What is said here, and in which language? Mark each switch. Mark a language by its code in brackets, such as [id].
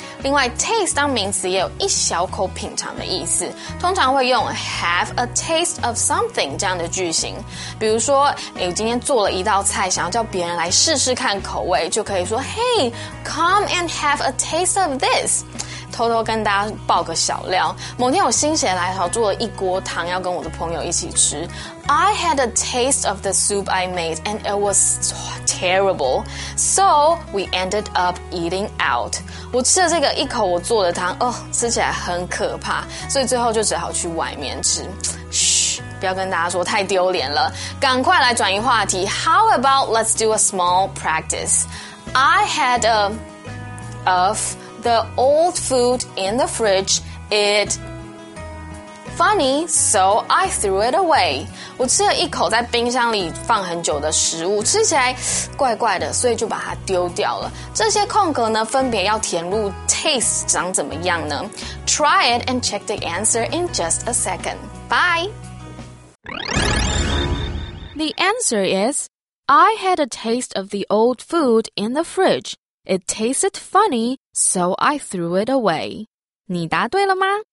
[zh] 另外 taste 当名词也有一小口品尝的意思，通常会用 have a taste of something 这样的句型。比如说我今天做了一道菜，想要叫别人来试试看口味，就可以说 Hey, come and have a taste of this. 偷偷跟大家爆个小料，某天我心血来潮做了一锅汤要跟我的朋友一起吃。 [en] I had a taste of the soup I made and it was terrible, so we ended up eating out. [zh] 我吃了这个一口我做的汤，哦，吃起来很可怕，所以最后就只好去外面吃。不要跟大家说，太丢脸了，赶快来转移话题。 [en] How about let's do a small practice. I had a ofThe old food in the fridge, it funny, so I threw it away. [zh] 我吃了一口在冰箱里放很久的食物，吃起来怪怪的，所以就把它丢掉了。这些空格呢，分别要填入 taste 长怎么样呢？ [en] Try it and check the answer in just a second. Bye! The answer is, I had a taste of the old food in the fridge. It tasted funny, so I threw it away. 你答对了吗？